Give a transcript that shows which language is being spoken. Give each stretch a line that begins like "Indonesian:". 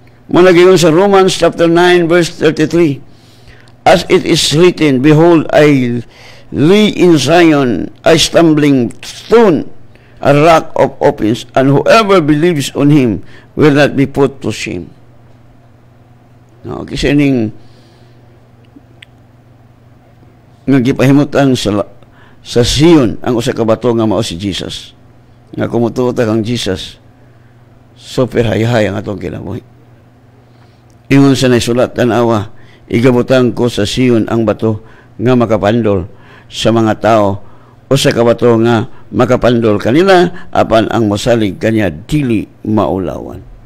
Cebuano: Managayon sa
English: Romans chapter 9, verse 33, as it is written, behold, I lay in Zion a stumbling stone, a rock of offense, and whoever believes on Him will not be put to shame.
Cebuano: No, kisang nagipahimutan sa Sion ang usa ka bato nga mao si Jesus. Nga kumututa kang Jesus, super hayahay ang atong kinabuhi. Ingon sa naisulat, tanawa, igabutan ko sa Sion ang bato nga makapandol sa mga tao, usa ka bato nga makapandol kanila, apan ang masalig kanya dili maulawan.